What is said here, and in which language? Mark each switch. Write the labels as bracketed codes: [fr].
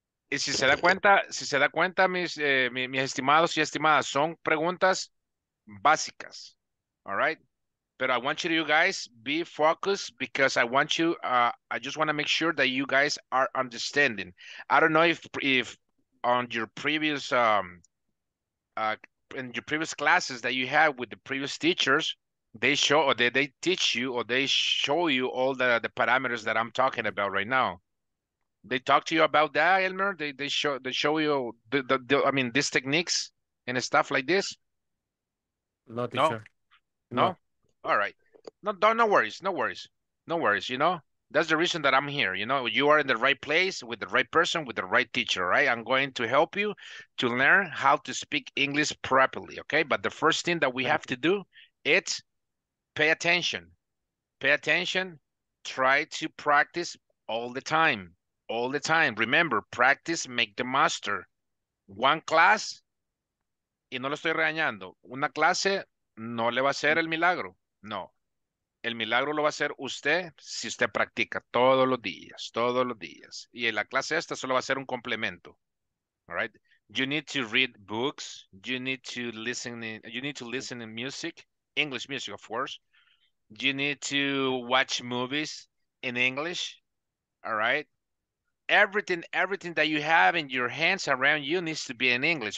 [es] Y si se da cuenta, mis estimados y estimadas, son preguntas básicas. [en] All right. But I want you guys be focused because I want you, I just want to make sure that you guys are understanding. I don't know if on your previous, in your previous classes that you had with the previous teachers, they show or they teach you or they show you all the parameters that I'm talking about right now. They talk to you about that, Elmer? They show you the these techniques and stuff like this? No. All right. No worries. You know, that's the reason that I'm here. You know, you are in the right place with the right person, with the right teacher, right? I'm going to help you to learn how to speak English properly, okay? But the first thing that we have to do, it's Pay attention, try to practice all the time. Remember, practice make the master. One class, [es] y no lo estoy regañando, una clase no le va a hacer el milagro, no. El milagro lo va a hacer usted si usted practica todos los días. Y en la clase esta solo va a ser un complemento, all right? [en] You need to read books, you need to listen in music, English music, of course. You need to watch movies in English, all right? Everything that you have in your hands around you needs to be in English.